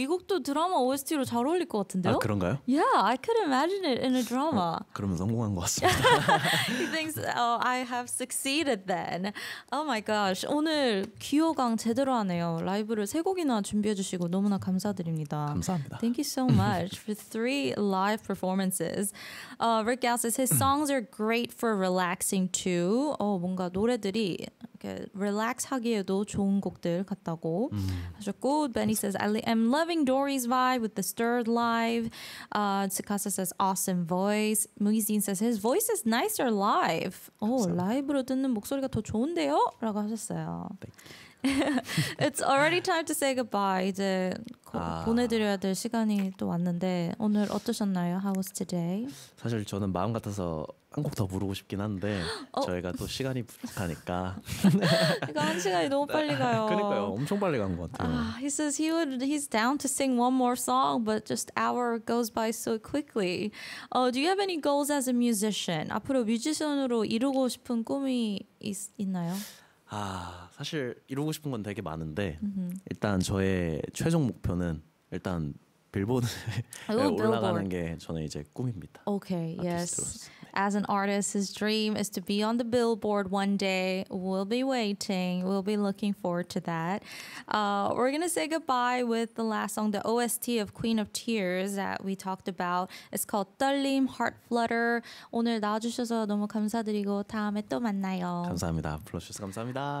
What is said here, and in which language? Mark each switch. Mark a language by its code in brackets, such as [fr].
[ko] 이 곡도 드라마 OST로 잘 어울릴 것 같은데요? 아, 그런가요? [en] Yeah, I could imagine it in a drama. [ko] 그러면 성공한 것 같습니다. [en] He thinks, oh, I have succeeded then. Oh my gosh. [ko] 오늘 귀요광 제대로 하네요. 라이브를 세 곡이나 준비해 주시고 너무나 감사드립니다. 감사합니다. [en] Thank you so much for three live performances. Rick Gale says his songs are great for relaxing too. [ko] 뭔가 노래들이 relax 하기에도 좋은 곡들 같다고 하셨고 [en] Benny says I am loving Dory's vibe with the stirred live. Tsukasa says awesome voice. Muizin says his voice is nicer live. [ko] 라이브로 듣는 목소리가 더 좋은데요? 라고 하셨어요. [en] It's already time to say goodbye. [ko] 이제 보내드려야 될 시간이 또 왔는데 오늘 어떠셨나요? [en] How was today? [ko] 사실 저는 마음 같아서 한 곡 더 부르고 싶긴 한데 저희가 또 시간이 부족하니까 이거 한 시간이 너무 빨리 가요. 그러니까요. 엄청 빨리 간 것 같아요. [en] He says he's down to sing one more song but just hour goes by so quickly. Do you have any goals as a musician? [ko] 앞으로 뮤지션으로 이루고 싶은 꿈이 있나요? 아, 사실 이루고 싶은 건 되게 많은데 일단 저의 최종 목표는 일단 빌보드에 올라가는 게 저는 이제 꿈입니다. [en] Okay, yes. As an artist, his dream is to be on the billboard one day. We'll be waiting. We'll be looking forward to that. We're going to say goodbye with the last song, the OST of Queen of Tears that we talked about. It's called 떨림, Heart Flutter. [ko] 오늘 나와주셔서 너무 감사드리고 다음에 또 만나요. 감사합니다. 불러주셔서 감사합니다.